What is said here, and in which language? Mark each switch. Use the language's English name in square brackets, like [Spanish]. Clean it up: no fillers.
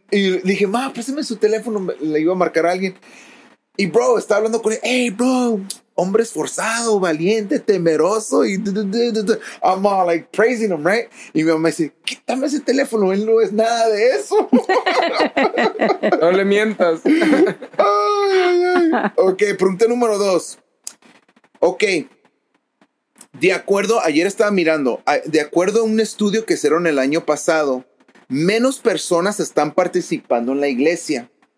[Spanish] Y dije, ma, préstame su teléfono, le iba a marcar a alguien. Y bro, estaba hablando con él. Hey, bro, hombre esforzado, valiente, temeroso. [English] Y I'm all like praising him, right? [Spanish] Y mi mamá dice, quítame ese teléfono, él no es nada de eso. No le mientas. Ay. Ok, pregunta número dos. Ok. De acuerdo, ayer estaba mirando, de acuerdo a un estudio que hicieron el año pasado, menos personas están participando en la iglesia.